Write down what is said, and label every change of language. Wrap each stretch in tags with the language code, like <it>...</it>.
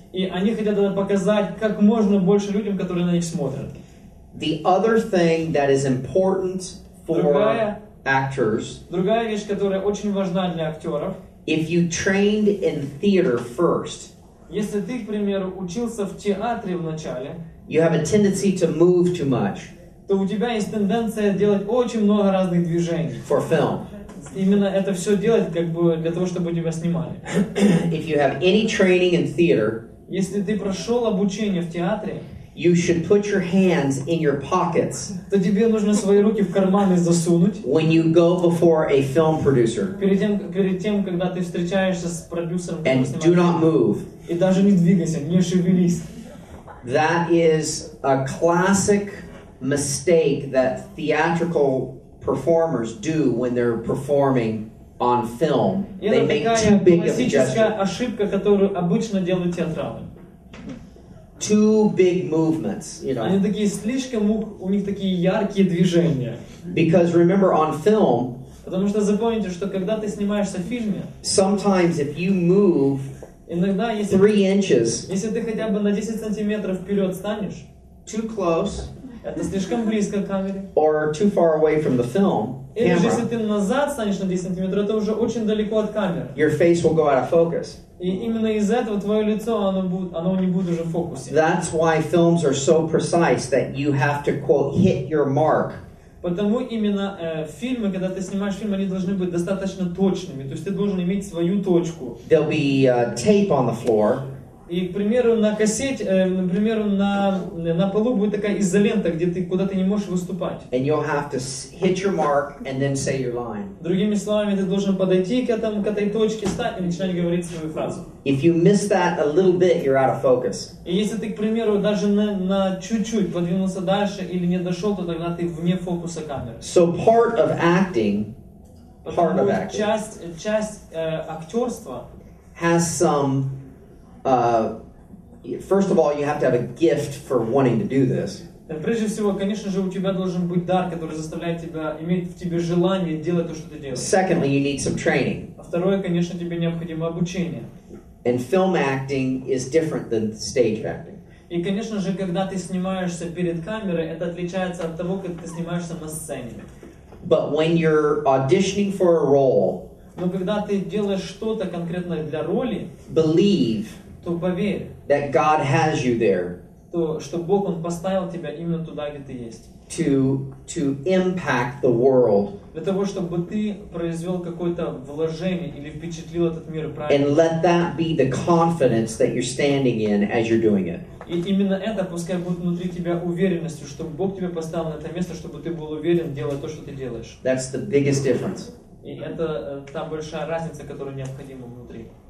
<ru>И они хотят это показать как можно больше людям, которые на них смотрят.</ru> <en>The other thing that is important for actors.</en> <ru>Другая вещь, которая очень важна для актеров.</ru> <en>If you trained in theater first.</en> <ru>Если ты, к примеру, учился в театре вначале,</ru> <en>you have a tendency to move too much.</en> <ru>То у тебя есть тенденция делать очень много разных движений.</ru> <en>For film.</en> <ru>Именно это все делать, как бы, для того, чтобы тебя снимали.</ru> <en>If you have any training in theater,</en> <ru>если ты прошел обучение в театре,</ru> <en>you should put your hands in your pockets.</en> <ru>То тебе нужно свои руки в карманы засунуть.</ru> <en>When you go before a film producer.</en> <ru>Перед тем, когда ты встречаешься с продюсером,</ru> <en>and do not move.</en> <ru>И даже не двигайся, не шевелись.</ru> <en>That is a classic mistake that theatrical performers do when they're performing on film. They make too big of a gesture.</en> <ru>Это такая классическая ошибка, которую обычно делают театралы.</ru> <en>Two big movements, you know.</en> <ru>Они такие слишком, у них такие яркие движения.</ru> <en>Because remember, on film.</en> <ru>Потому что запомните, что когда ты снимаешься в фильме.</ru> <en>Sometimes if you move.</en> <ru>Иногда, если ты хотя бы на 10 сантиметров вперед станешь,</ru> <en>too close,</en> <ru>это слишком близко к камере,</ru> <en>or too far away from the film,</en> <ru>или</ru> <en>camera,</en> <ru>если ты назад станешь на 10 сантиметров, это уже очень далеко от камеры,</ru> <en>your face will go out of focus.</en> <ru>И именно из этого твое лицо, оно не будет уже в фокусе.</ru> <en>That's why films are so precise that you have to, quote, hit your mark.</en> <ru>Потому именно фильмы, когда ты снимаешь фильм, они должны быть достаточно точными. То есть ты должен иметь свою точку.</ru> <en>There'll be tape on the floor.</en> <ru>И, к примеру, на кассете, например, на полу будет такая изолента, где ты куда-то не можешь выступать.</ru> <en>And you'll have to hit your mark and then say your line.</en> <ru>Другими словами, ты должен подойти к этой точке, встать и начинать говорить свою фразу.</ru> <en>If you miss that a little bit, you're out of focus.</en> <ru>И если ты, к примеру, даже на чуть-чуть подвинулся дальше или не дошел, то тогда ты вне фокуса камеры.</ru> <en>So part of acting, part of acting.</en> <ru>Часть актерства</ru> <en>has some. First of all, you have to have a gift for wanting to do this.</en> <ru>Прежде всего, конечно же, у тебя должен быть дар, который заставляет тебя иметь в тебе желание делать то, что ты делаешь.</ru> <en>Secondly, you need some training.</en> <ru>Второе, конечно, тебе необходимо обучение.</ru> <en>And film acting is different than stage acting.</en> <ru>И, конечно же, когда ты снимаешься перед камерой, это отличается от того, как ты снимаешься на сцене.</ru> <en>But when you're auditioning for a role,</en> <ru>но когда ты делаешь что-то конкретно для роли,</ru> <en>believe,</en> <ru>то поверь,</ru> <en>that God has you there,</en> <ru>то что Бог он поставил тебя именно туда, где ты есть,</ru> <en>to impact the world,</en> <ru>для того чтобы ты произвел какое-то вложение или впечатлил этот мир правильно,</ru> <en>and let that be the confidence that you're standing in as you're doing it.</en> <ru>И именно это пускай будет внутри тебя уверенностью, что Бог тебе поставил на это место, чтобы ты был уверен, делая то, что ты делаешь.</ru> <en>That's the biggest difference.</en> <ru>И это та большая разница, которая необходима внутри.</ru>